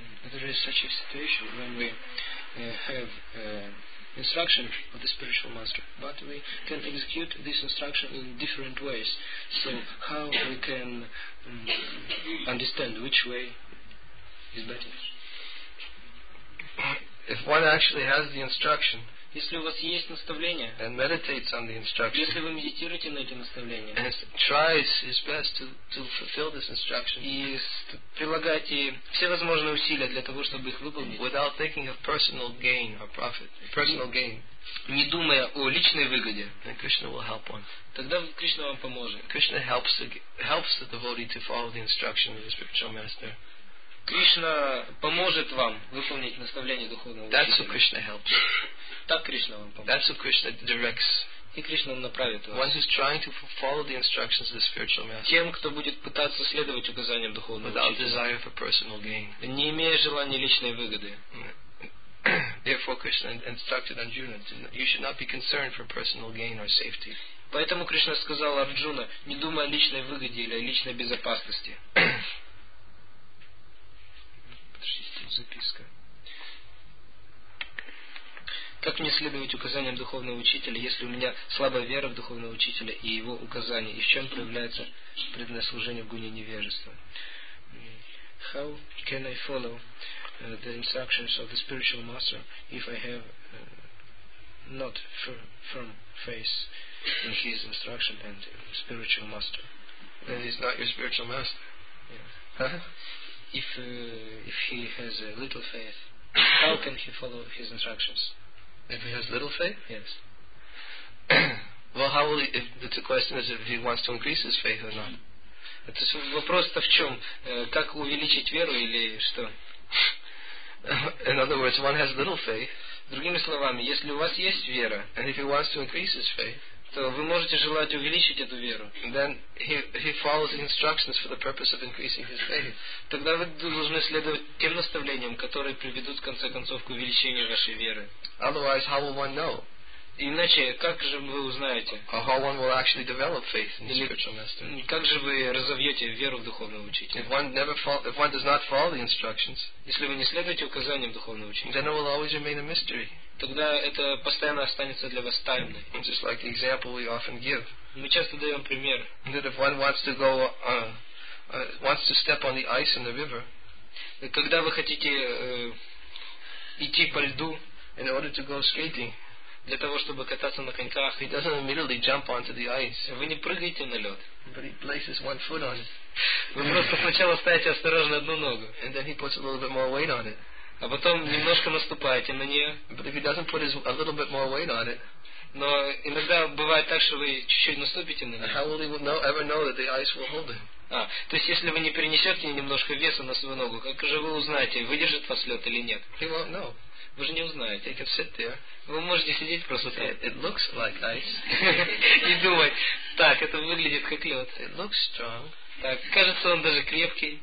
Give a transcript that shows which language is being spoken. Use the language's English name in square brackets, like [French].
[English] There is such a situation when we have instruction of the spiritual master, but we can execute this instruction in different ways. So how we can understand which way is better? If one actually has the instruction, [Russian] если у вас есть наставление, [English] and meditates on the instruction, [Russian] если вы медитируете на эти наставления, [English] and tries his best to fulfill this instruction, [Russian] и прилагаете все возможные усилия для того, чтобы их выполнить, [English] without thinking of personal gain or profit, personal gain, [Russian] не думая о личной выгоде, [English] then Krishna will help one. [Russian] Тогда Кришна вам поможет. [English] Krishna helps the devotee to follow the instruction of the spiritual master. [Russian] Кришна поможет вам выполнить наставление духовного учителя. [English] That's who Krishna helps. [Russian] Так Кришна вам поможет. [English] That's who Krishna directs. [Russian] И Кришна направит вас. [English] One who's trying to follow the instructions of the spiritual master. [Russian] Тем, кто будет пытаться следовать указаниям духовного учителя. [English] Without desire for personal gain. [Russian] Не имея желания личной выгоды. [English] Therefore Krishna instructed Arjuna, you should not be concerned for personal gain or safety. [Russian] Поэтому Кришна сказал Арджуна, не думай о личной выгоде или о личной безопасности. Записка. Как мне следовать указаниям духовного учителя, если у меня слабая вера в духовного учителя и его указания? И в чем проявляется преданное служение в гуне невежества? [English] How can I follow the instructions of the spiritual master if I have not firm faith in his instruction and spiritual master? then he's not your spiritual master. Yeah. Huh? If he has a little faith, how can he follow his instructions? If he has little faith? Yes. Well, how will he, if the question is if he wants to increase his faith or not. [Russian] Это вопрос-то в чем? Как увеличить веру или что? [English] In other words, one has little faith. [Russian] Другими словами, если у вас есть вера, [English] and if he wants to increase his faith, [Russian] то вы можете желать увеличить эту веру. [English] Then he follows the instructions for the purpose of increasing his faith. [Russian] Тогда вы должны следовать тем наставлениям, которые приведут в конце концов к увеличению вашей веры. [English] Otherwise, how will one know? [Russian] Иначе, как же вы узнаете? [English] How one will actually develop faith in the spiritual master? [Russian] Как же вы разовьете веру в духовного учителя? [English] If one does not follow the instructions, [Russian] если вы не следуете указаниям духовного учителя, [English] then it will always remain a mystery. [Russian] Тогда это постоянно останется для вас тайной. [English] Just like the example we often give. [Russian] Мы часто даем пример. [English] That if one wants to go, wants to step on the ice in the river, [Russian] когда вы хотите идти по льду, [English] in order to go skating, [Russian] для того, чтобы кататься на коньках, [English] he doesn't immediately jump onto the ice. [Russian] Вы не прыгаете на лед. [English] But he places one foot on it. [Russian] Вы просто сначала ставите осторожно одну ногу. [English] And then he puts a little bit more weight on it. [Russian] А потом немножко наступаете на нее. [English] But if he doesn't put a little bit more weight on it, [Russian] но иногда бывает так, что вы чуть-чуть наступите на нее. [English] How will he ever know that the ice will hold him? [Russian] А, то есть если вы не перенесете немножко веса на свою ногу, как же вы узнаете, выдержит вас лед или нет? [English] He won't know. [Russian] Вы же не узнаете. [English] He can sit there. [Russian] Вы можете сидеть просто так. [English] It looks like ice. [Russian] И думать, так, это выглядит как лед. [English] It looks strong. [Russian] Так, кажется, он даже крепкий.